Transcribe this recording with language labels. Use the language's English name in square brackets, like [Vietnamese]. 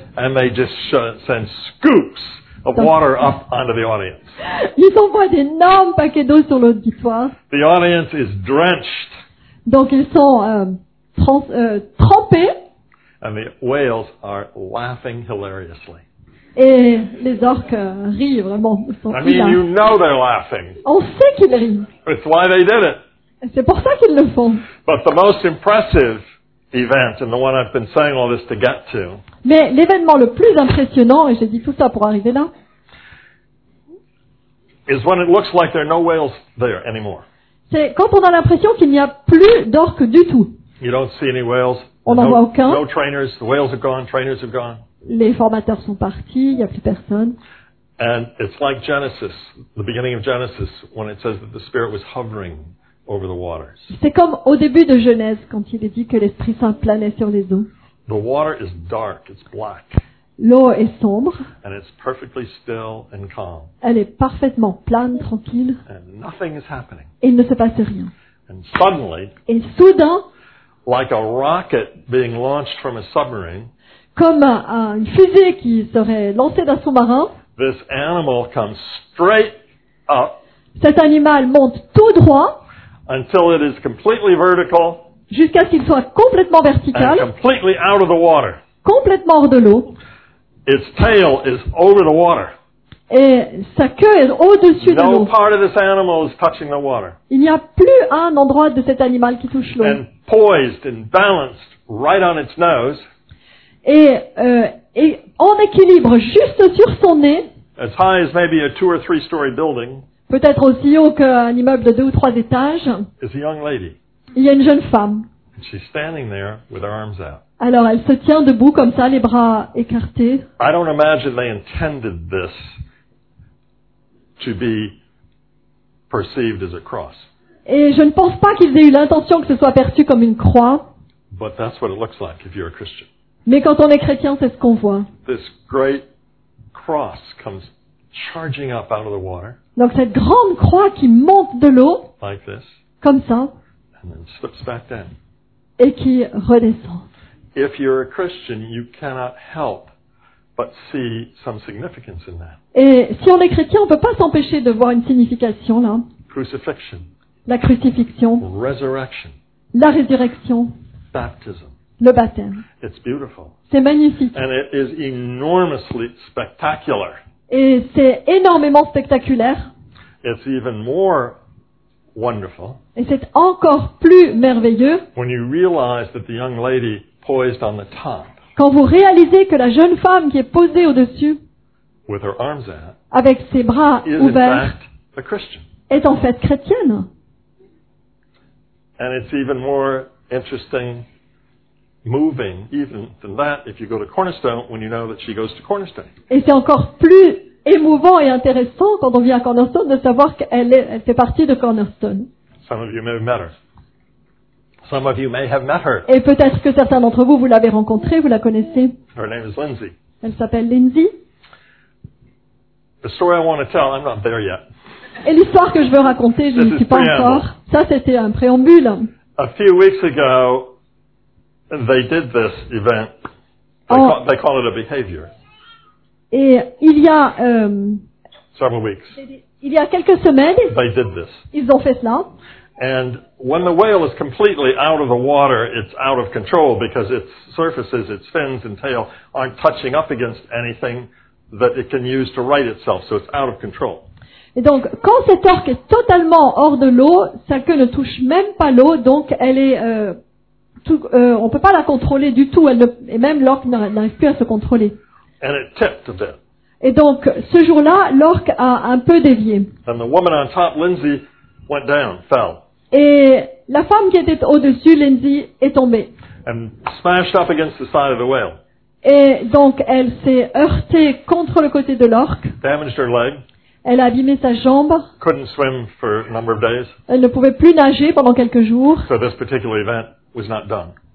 [English] And they just send scoops of water up onto the audience. [French] Ils envoient d'énormes paquets d'eau sur l'auditoire. [English] The audience is drenched. [French] Donc ils sont trempés. [English] And the whales are laughing hilariously. [French] Et les orques rient vraiment. [English] You know they're laughing. [French] On sait qu'ils rient. [English] It's why they did it. [French] Et c'est pour ça qu'ils le font. [English] But the most impressive event, and the one I've been saying all this to get to. [French] Mais l'événement le plus impressionnant, et j'ai dit tout ça pour arriver là, [English] is when it looks like there are no whales there anymore. [French] C'est quand on a l'impression qu'il n'y a plus d'orques du tout. [English] You don't see any whales. [French] On n'en voit aucun. [English] No trainers. The whales are gone. Trainers are gone. [French] Les formateurs sont partis, il n'y a plus personne. [English] And it's like Genesis, the beginning of Genesis, when it says that the Spirit was hovering over the waters. [French] C'est comme au début de Genèse, quand il est dit que l'Esprit Saint planait sur les eaux. [English] The water is dark, it's black. [French] L'eau est sombre. [English] And it's perfectly still and calm. [French] Elle est parfaitement plane, tranquille. [English] And nothing is happening. [French] Et il ne se passe rien. [English] And suddenly, [French] et soudain, [English] like a rocket being launched from a submarine, [French] comme une fusée qui serait lancée d'un sous-marin. [English] This animal comes straight up. [French] Cet animal monte tout droit. [English] Until it is completely vertical. [French] Jusqu'à ce qu'il soit complètement vertical. [English] And completely out of the water. [French] Complètement hors de l'eau. [English] Its tail is over the water. [French] Et sa queue est au-dessus de l'eau. [English] No part of this animal is touching the water. [French] Il n'y a plus un endroit de cet animal qui touche l'eau. [English] And poised and balanced right on its nose. [French] Et en équilibre juste sur son nez. [English] As high as maybe a 2 or 3 story building. [French] Peut-être aussi haut qu'un immeuble de 2 ou 3 étages. [English] Is a young lady. [French] Il y a une jeune femme. [English] And she's standing there with her arms out. [French] Alors elle se tient debout comme ça, les bras écartés. [English] I don't imagine they intended this to be perceived as a cross. [French] Et je ne pense pas qu'ils aient eu l'intention que ce soit perçu comme une croix. [English] But that's what it looks like if you're a Christian. [French] Mais quand on est chrétien, c'est ce qu'on voit. [English] This great cross comes charging up out of the water. [French] Donc cette grande croix qui monte de l'eau. [English] Like this. [French] Comme ça. [English] And then slips back down. [French] Et qui redescend. [English] If you're a Christian, you cannot help but see some significance in that. [French] Et si on est chrétien, on ne peut pas s'empêcher de voir une signification là. [English] Crucifixion. [French] La crucifixion. [English] Resurrection. [French] La résurrection. [English] Baptism. [French] Le baptême. [English] It's beautiful. [French] C'est magnifique. [English] And it is enormously spectacular. [French] Et c'est énormément spectaculaire. [English] It's even more wonderful. [French] Et c'est encore plus merveilleux. [English] When you realize that the young lady poised on the top. [French] Quand vous réalisez que la jeune femme qui est posée au-dessus. [English] With her arms out. [French] Avec ses bras ouverts. [English] Is in fact a Christian. [French] Est en fait chrétienne. [English] And it's even more interesting. Moving even than that if you go to Cornerstone when you know that she goes to Cornerstone. [French] Et c'est encore plus émouvant et intéressant quand on vient à Cornerstone de savoir qu'elle fait partie de Cornerstone. [English] Some of you may have met her. Some of you may have met her. [French] Et peut-être que certains d'entre vous, vous l'avez rencontrée, vous la connaissez. [English] Her name is Lindsay. [French] Elle s'appelle Lindsay. [English] The story I want to tell, I'm not there yet. [French] Et l'histoire que je veux raconter, je n'y suis pas encore. Ça, c'était un préambule. [English] A few weeks ago, they did this event. They call it a behavior. [French] Et il y a [English] several weeks. [French] Il y a quelques semaines, [English] they did this. [French] Ils ont fait cela. [English] And when the whale is completely out of the water, it's out of control because its surfaces, its fins and tail aren't touching up against anything that it can use to right itself, so it's out of control. [French] Et donc, quand cette orque est totalement hors de l'eau, sa queue ne touche même pas l'eau, donc elle est, on ne peut pas la contrôler du tout, elle ne, et même l'orque n'arrive plus à se contrôler. [English] And it tipped a bit. [French] Et donc, ce jour-là, l'orque a un peu dévié. [English] And the woman on top, Lindsay, went down, fell. [French] Et la femme qui était au-dessus, Lindsay, est tombée. [English] And smashed up against the side of the whale. [French] Et donc, elle s'est heurtée contre le côté de l'orque. [English] Damaged her leg. [French] Elle a abîmé sa jambe. [English] Couldn't swim for a number of days. [French] Elle ne pouvait plus nager pendant quelques jours. [English] So this particular event was not done.